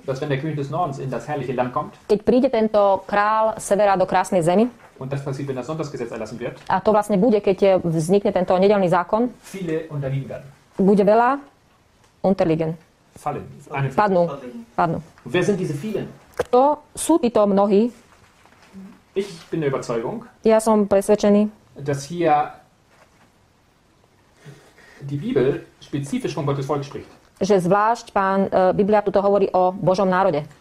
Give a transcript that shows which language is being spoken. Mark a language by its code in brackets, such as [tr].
[de] dass wenn der König des Nordens in das herrliche Land kommt, [sk] keď príde tento král severa do krásnej zemi, [de] und das passiert, wenn das Sonntagsgesetz erlassen wird, [sk] a to vlastne bude, keď vznikne tento nedeľný zákon, [de] viele unterliegen werden. [sk] Bude veľa unterliegen. [de] Fallen. [sk] Padnú. [de] Wer sind diese vielen? [sk] Kto sú títo mnohí? [de] Ich bin der Überzeugung, [sk] ja som presvedčený, [de] dass hier die Bibel spezifisch von Gottes Volk spricht. [sk] Že zvlášť pán Biblia tuto hovorí o Božom národe.